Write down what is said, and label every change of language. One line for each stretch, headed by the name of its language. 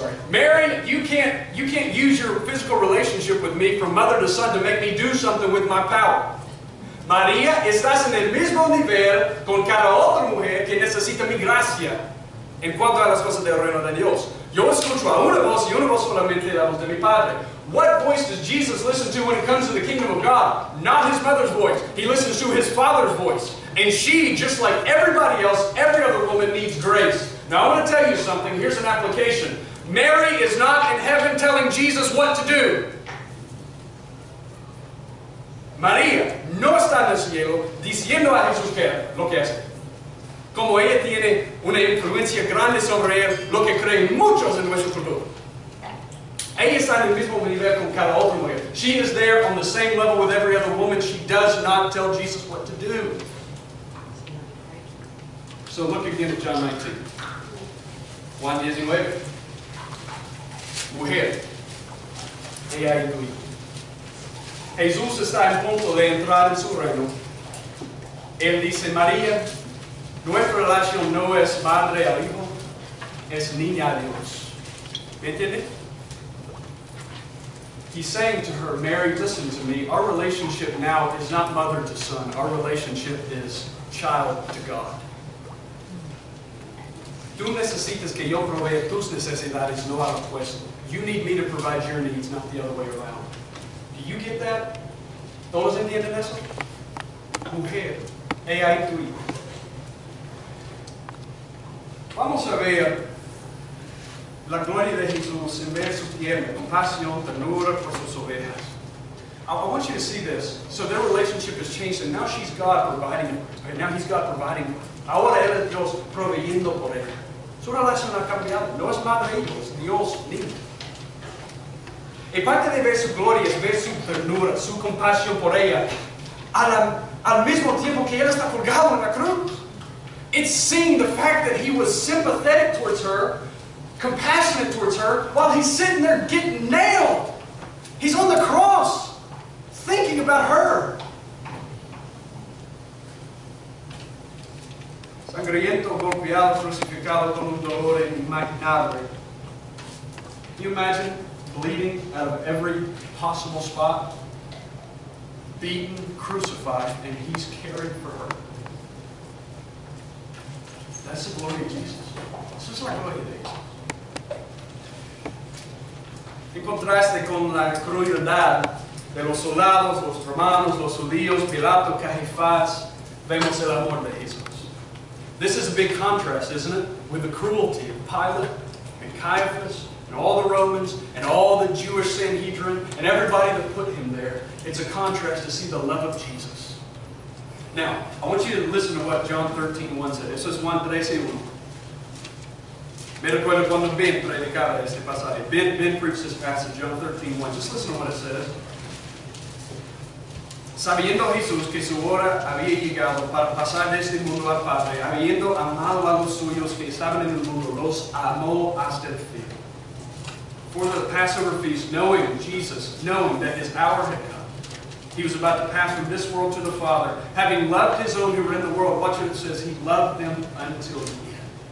English: Mary, you can't use your physical relationship with me from mother to son to make me do something with my power.
Spanish: María, estás en el mismo nivel con cada otra mujer que necesita mi gracia en cuanto a las cosas del reino de Dios. Yo escucho a una voz y una voz solamente la voz de mi padre.
English: What voice does Jesus listen to when it comes to the kingdom of God? Not his mother's voice. He listens to his father's voice. And she, just like everybody else, every other woman needs grace. Now I want to tell you something. Here's an application. Mary is not in heaven telling Jesus what to do.
Spanish: María no está en el cielo diciendo a Jesús que lo que hace. Como ella tiene una influencia grande sobre él, lo que creen muchos en nuestro futuro. Ella está en el mismo nivel con cada otra mujer.
English: She is there on the same level with every other woman. She does not tell Jesus what to do. So look again at John 19. Juan 19.
Spanish: Mujer. Ella y tu hijo. Jesús está en punto de entrar en su reino. Él dice, María, nuestra relación no es madre al hijo, es niña a Dios. ¿Me entiendes?
English: He's saying to her, Mary, listen to me. Our relationship now is not mother to son. Our relationship is child to God.
Spanish: Tú necesitas que yo provea tus necesidades, no al opuesto.
English: You need me to provide your needs, not the other way around. Do you get that?
Spanish: ¿Todos entienden eso? Mujer, he ahí tu hijo. Vamos a ver la gloria de Jesús en ver su tierra, compasión, ternura por sus ovejas.
English: I want you to see this. So their relationship has changed, and now she's God providing her. Right? Now he's God providing her.
Spanish: Ahora él es Dios proveyendo por ella. Su relación ha cambiado. No es madre hijo, es Dios niño. Y parte de ver su gloria es ver su ternura, su compasión por ella, al mismo tiempo que él está colgado en la cruz.
English: It's seeing the fact that he was sympathetic towards her, compassionate towards her, while he's sitting there getting nailed. He's on the cross, thinking about her.
Spanish: Sangriento, golpeado, crucificado con un dolor inimaginable.
English: Can you imagine bleeding out of every possible spot? Beaten, crucified, and he's caring for her. That's the glory of Jesus. This is our glory today.
Spanish: En contraste con la crueldad de los soldados, los romanos, los judíos, Pilato, Caifás, vemos el amor de Jesús.
English: This is a big contrast, isn't it? With the cruelty of Pilate and Caiaphas and all the Romans and all the Jewish Sanhedrin and everybody that put him there. It's a contrast to see the love of Jesus. Now, I want you to listen to what John 13:1 said.
Spanish: Eso es Juan 13:1. Me recuerdo cuando Ben predicaba este pasaje.
English: Ben preached this passage, John 13:1. Just listen to what it says.
Spanish: Sabiendo Jesús que su hora había llegado para pasar de este mundo al Padre, habiendo amado a los suyos que estaban en el mundo, los amó hasta el fin.
English: For the Passover feast, knowing that his hour had come, he was about to pass from this world to the Father. Having loved his own who were in the world, watch what it says, he loved them until the end.